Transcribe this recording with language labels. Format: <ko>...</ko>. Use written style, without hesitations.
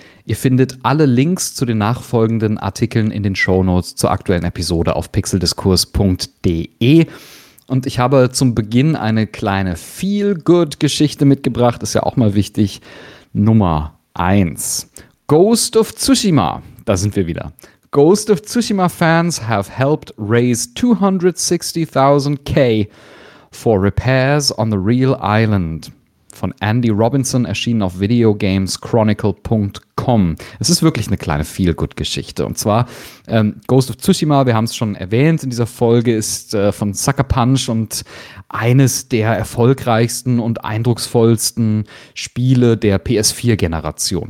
<de>Ihr findet alle Links zu den nachfolgenden Artikeln in den Shownotes zur aktuellen Episode auf pixeldiskurs.de. Und ich habe zum Beginn eine kleine Feel-Good-Geschichte mitgebracht, ist ja auch mal wichtig. Nummer 1. Ghost of Tsushima. Da sind wir wieder.</de> <en>Ghost of Tsushima Fans have helped raise 260.000 K for repairs on the real island.</en> <de>Von Andy Robinson, erschienen auf videogameschronicle.com. Es ist wirklich eine kleine Feel-Good-Geschichte. Und zwar Ghost of Tsushima, wir haben es schon erwähnt in dieser Folge, ist von Sucker Punch und eines der erfolgreichsten und eindrucksvollsten Spiele der PS4-Generation.</de>